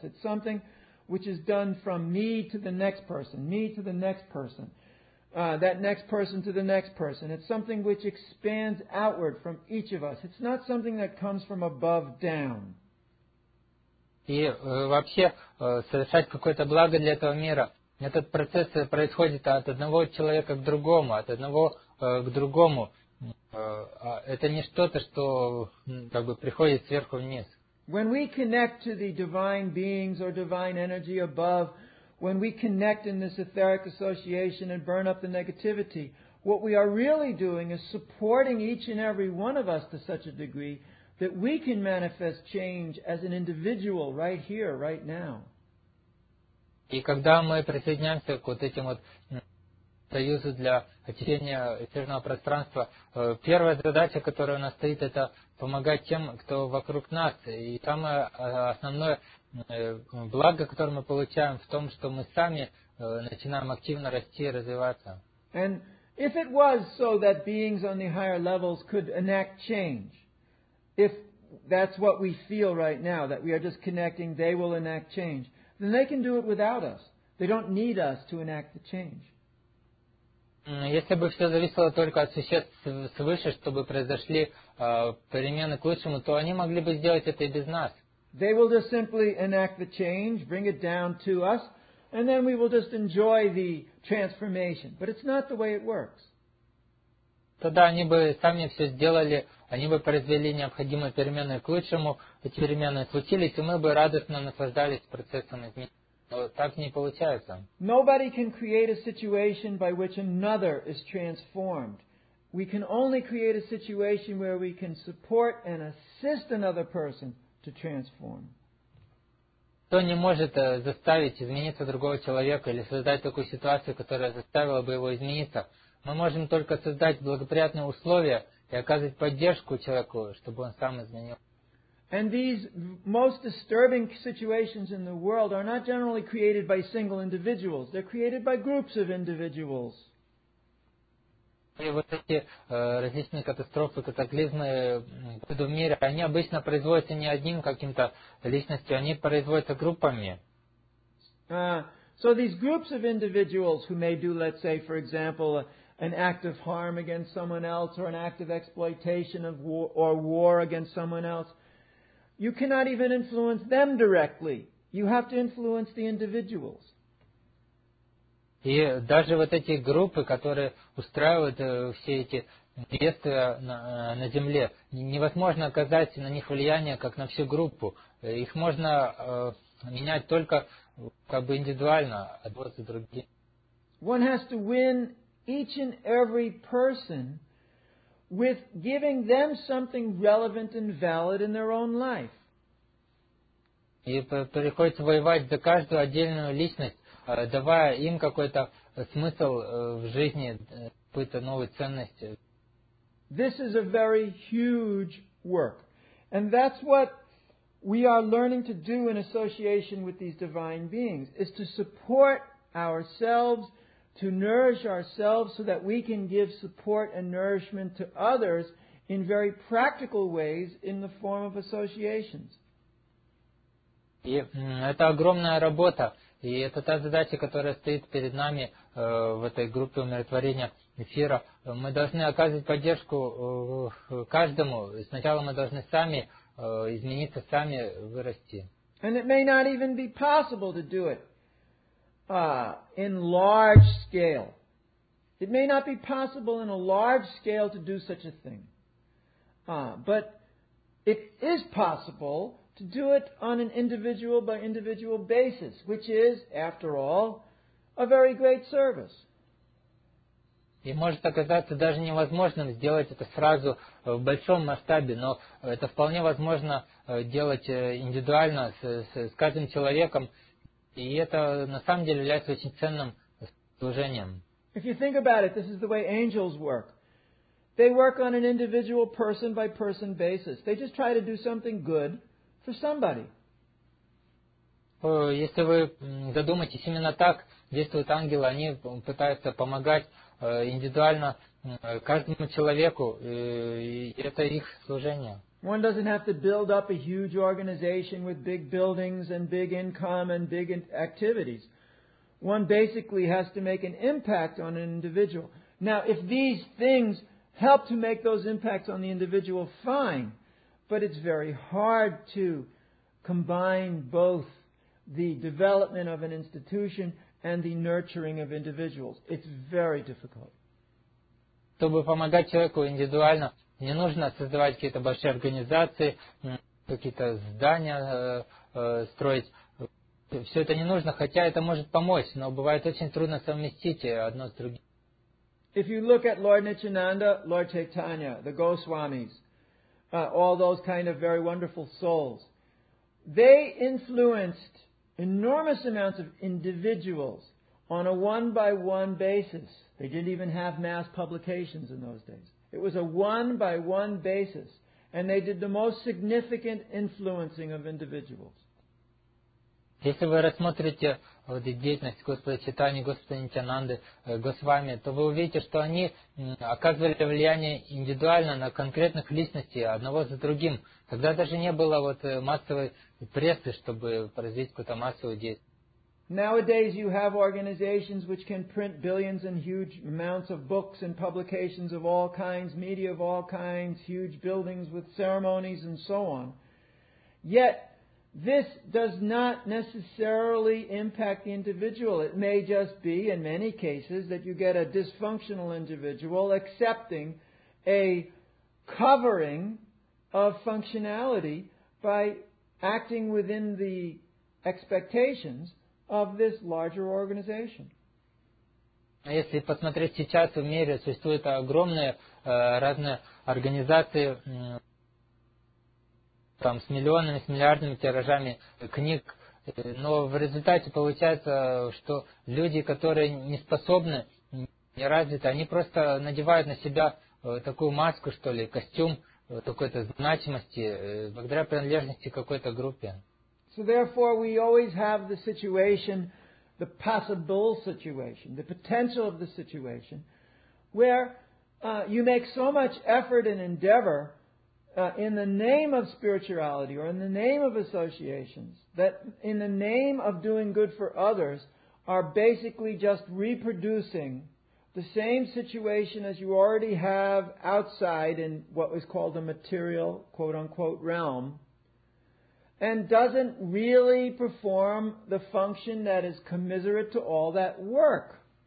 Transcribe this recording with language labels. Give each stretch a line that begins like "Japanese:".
English: It's something which is done from me to the next person, me to the next person, that next person to the next person. It's something which expands outward from each of us. It's not something that comes from above down.
Russian: И вообще совершать какое-то благо для этого мира. Этот процесс происходит от одного человека к другому, от одного к другому. Это не что-то, что как бы приходит сверху вниз.
English: When we connect to the divine beings or divine energy above, when we connect in this etheric association and burn up the negativity, what we are really doing is supporting each and every one of us to such a degree that we can manifest change as an individual right here, right now.
Russian: И когда мы присоединяемся к вот этим вот союзу для очищения эфирного пространства, первая задача, которая у нас стоит, это помогать тем, кто вокруг нас. И самое основное благо, которое мы получаем, в том, что мы сами начинаем активно расти и развиваться.
English: And if it was so that beings on the higher levels could enact change, if that's what we feel right now, that we are just connecting, they will enact change, then they can do it without us. They don't need us to enact the change.
Russian: Если бы все зависело только от существ свыше, чтобы произошли перемены к лучшему, то они могли бы сделать это и без нас.
English: They will just simply enact the change, bring it down to us, and then we will just enjoy the transformation. But it's not the way it works.
Russian: Тогда они бы сами все сделали, они бы произвели необходимые перемены к лучшему, эти перемены случились, и мы бы радостно наслаждались процессом изменения. Но так не получается.
English: Nobody can create a situation by which another is transformed. We can only create a situation where we can support and assist another person to transform.
Russian: Кто не может заставить измениться другого человека или создать такую ситуацию, которая заставила бы его измениться? Мы можем только создать благоприятные условия и оказывать поддержку человеку, чтобы он сам изменил.
English: And these most disturbing situations in the world are not generally created by single individuals. They're created by groups of individuals.
Russian: И вот эти различные катастрофы, катаклизмы в мире, они обычно производятся не одним каким-то личностью, они производятся группами.
English: So these groups of individuals who may do, let's say, for example, an act of harm against someone else or an act of exploitation of war against someone else, you cannot even influence them directly. You have to influence the individuals.
Russian: И даже вот эти группы, которые устраивают все эти действия на земле, невозможно оказать на них влияние, как на всю группу. Их можно менять только как бы индивидуально, одно за другим.
English: One has to win each and every person with giving them something relevant and valid in their own life.
Russian: И приходится воевать за каждую отдельную личность, давая им какой-то смысл в жизни, какую-то новую ценность.
English: This is a very huge work. And that's what we are learning to do in association with these divine beings, is to support ourselves, to nourish ourselves so that we can give support and nourishment to others in very practical ways in the form of associations.
Russian: И это огромная работа, и это та задача, которая стоит перед нами в этой группе умиротворения эфира. Мы должны оказывать поддержку каждому. Сначала мы должны сами измениться, сами вырасти.
English: And it may not even be possible to do it in large scale. It may not be possible in a large scale to do such a thing. But it is possible to do it on an individual by individual basis, which is, after all, a very great service.
Russian: И может оказаться даже невозможным сделать это сразу в большом масштабе, но это вполне возможно делать индивидуально с каждым человеком. И это на самом деле является очень ценным служением.
English: If you think about it, this is the way angels work. They work on an individual person-by-person basis. They just try to do something good for somebody.
Russian: Если вы задумаетесь, именно так действуют ангелы. Они пытаются помогать индивидуально каждому человеку. Это их служение.
English: One doesn't have to build up a huge organization with big buildings and big income and big activities. One basically has to make an impact on an individual. Now, if these things help to make those impacts on the individual, fine. But it's very hard to combine both the development of an institution and the nurturing of individuals. It's very difficult.
Russian: Чтобы помогать человеку индивидуально, не нужно создавать какие-то большие организации, какие-то здания строить. Все это не нужно, хотя это может помочь, но бывает очень трудно совместить одно с другим.
English: If you look at Lord Nityananda, Lord Chaitanya, the Goswamis, all those kind of very wonderful souls, they influenced enormous amounts of individuals on a one-by-one basis. They didn't even have mass publications in those days. It was a one-by-one basis, and they did the most significant influencing of individuals.
Russian: Если вы рассмотрите вот деятельность Господа Чайтаньи, Господа Нитьянанды, Госвами, то вы увидите, что они оказывали влияние индивидуально на конкретных личностей одного за другим, когда даже не было вот массовой прессы, чтобы произвести какую-то массовую деятельность.
English: Nowadays you have organizations which can print billions and huge amounts of books and publications of all kinds, media of all kinds, huge buildings with ceremonies and so on. Yet this does not necessarily impact the individual. It may just be, in many cases, that you get a dysfunctional individual accepting a covering of functionality by acting within the expectations of this larger organization.
Russian: Если посмотреть сейчас в мире, существуют огромные разные организации, там с миллионами, с миллиардами тиражами книг, но в результате получается, что люди, которые не способны, не развиты, они просто надевают на себя такую маску, что ли, костюм какой-то значимости, благодаря принадлежности к какой-то группе.
English: So therefore we always have the situation, the possible situation, the potential of the situation, where you make so much effort and endeavor in the name of spirituality or in the name of associations, that in the name of doing good for others are basically just reproducing the same situation as you already have outside in what was called a material, quote-unquote, realm, and doesn't really perform the function that is commensurate to all that work.